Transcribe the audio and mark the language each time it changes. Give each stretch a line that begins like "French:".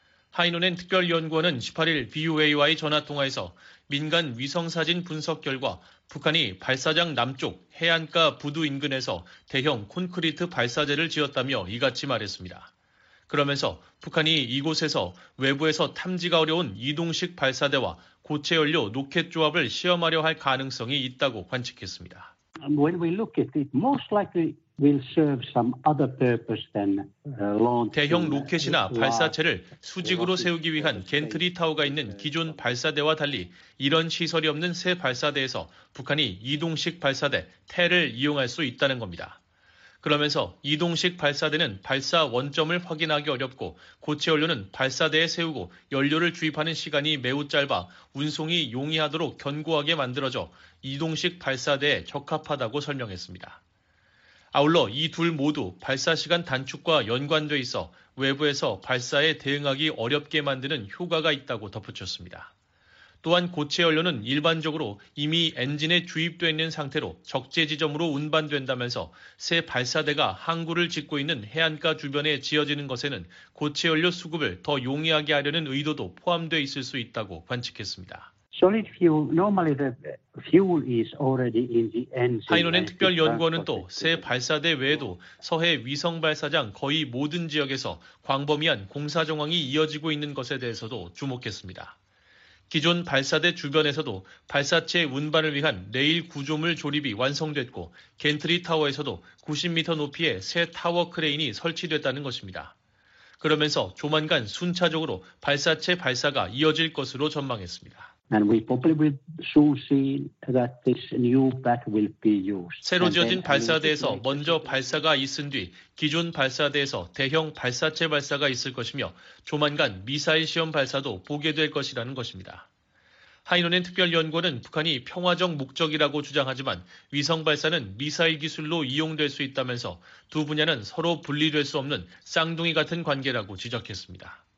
Korean: 하이노넨 특별연구원은 18일 VOA와의 전화통화에서 민간 위성사진 분석 결과 북한이 발사장 남쪽 해안가 부두 인근에서 대형 콘크리트 발사대를 지었다며 이같이 말했습니다. 그러면서 북한이 이곳에서 외부에서 탐지가 어려운 이동식 발사대와 고체 연료 로켓 조합을 시험하려 할 가능성이 있다고 관측했습니다.
English: When we look at it, most likely will serve some other purpose than launch.
Korean: 대형 로켓이나 발사체를 수직으로 세우기 위한 갠트리 타워가 있는 기존 발사대와 달리 이런 시설이 없는 새 발사대에서 북한이 이동식 발사대 테를 이용할 수 있다는 겁니다. 그러면서 이동식 발사대는 발사 원점을 확인하기 어렵고 고체 연료는 발사대에 세우고 연료를 주입하는 시간이 매우 짧아 운송이 용이하도록 견고하게 만들어져 이동식 발사대에 적합하다고 설명했습니다. 아울러 이 둘 모두 발사 시간 단축과 연관돼 있어 외부에서 발사에 대응하기 어렵게 만드는 효과가 있다고 덧붙였습니다. 또한 고체 연료는 일반적으로 이미 엔진에 주입되어 있는 상태로 적재 지점으로 운반된다면서 새 발사대가 항구를 짓고 있는 해안가 주변에 지어지는 것에는 고체 연료 수급을 더 용이하게 하려는 의도도 포함돼 있을 수 있다고 관측했습니다.
English: Solid fuel, normally the fuel is already in the engine.
Korean: 하이노넨 특별연구원은 또 새 발사대 외에도 서해 위성 발사장 거의 모든 지역에서 광범위한 공사 정황이 이어지고 있는 것에 대해서도 주목했습니다. 기존 발사대 주변에서도 발사체 운반을 위한 레일 구조물 조립이 완성됐고 갠트리 타워에서도 90m 높이의 새 타워 크레인이 설치됐다는 것입니다. 그러면서 조만간 순차적으로 발사체 발사가 이어질 것으로 전망했습니다.
English: And we probably will soon see that this new bat will be used.
Korean: 새로 지어진 발사대에서 먼저 발사가 있은 뒤 기존 발사대에서 대형 발사체 발사가 있을 것이며 조만간 미사일 시험 발사도 보게 될 것이라는 것입니다. 하이노넨 특별연구원은 북한이 평화적 목적이라고 주장하지만 위성 발사는 미사일 기술로 이용될 수 있다면서 두 분야는 서로 분리될 수 없는 쌍둥이 같은 관계라고 지적했습니다.